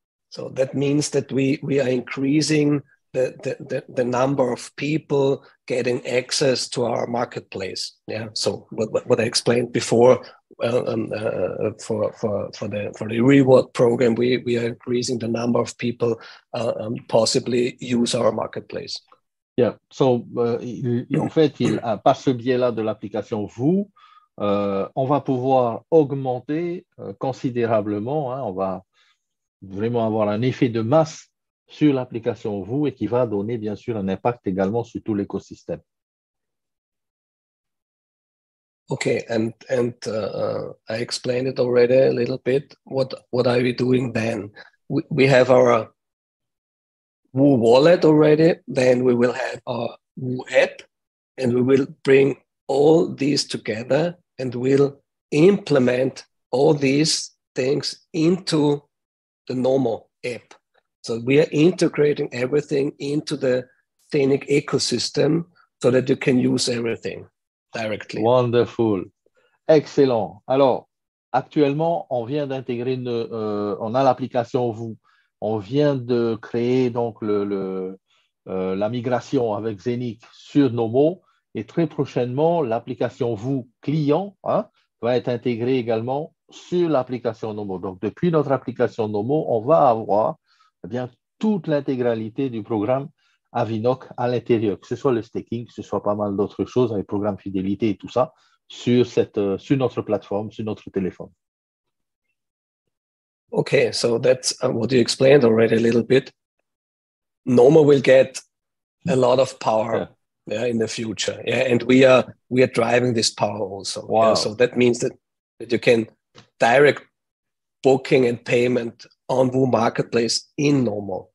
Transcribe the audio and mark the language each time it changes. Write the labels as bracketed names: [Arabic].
[English] So that means that we are increasing the number of people getting access to our marketplace. Yeah. So what I explained before, for the reward program, we are increasing the number of people possibly use our marketplace. Yeah. [French] So par ce biais-là de l'application Vous, on va pouvoir augmenter considérablement, hein, on va vraiment avoir un effet de masse sur l'application Vous et qui va donner bien sûr un impact également sur tout l'écosystème. [English] Okay, and I explained it already a little bit. What are we doing then? We have our Woo wallet already, then we will have our Woo app, and we will bring all these together. And we'll implement all these things into the Nomo app. So we are integrating everything into the Scenic ecosystem so that you can use everything directly. Wonderful. Excellent. [French] Alors, actuellement, on vient d'intégrer, on a l'application Vous. On vient de créer donc la migration avec Scenic sur nos mots. Et très prochainement, l'application Vous client hein, va être intégrée également sur l'application Nomo. Donc, depuis notre application Nomo, on va avoir eh bien, toute l'intégralité du programme Avinoc à l'intérieur, que ce soit le staking, que ce soit pas mal d'autres choses avec le programme fidélité et tout ça, sur notre plateforme, sur notre téléphone. [English] OK, so that's what you explained already a little bit. Nomo will get a lot of power. Yeah. Yeah, in the future. Yeah, and we are driving this power also. Wow. Yeah, so that means that you can direct booking and payment on Woo Marketplace in Nomo.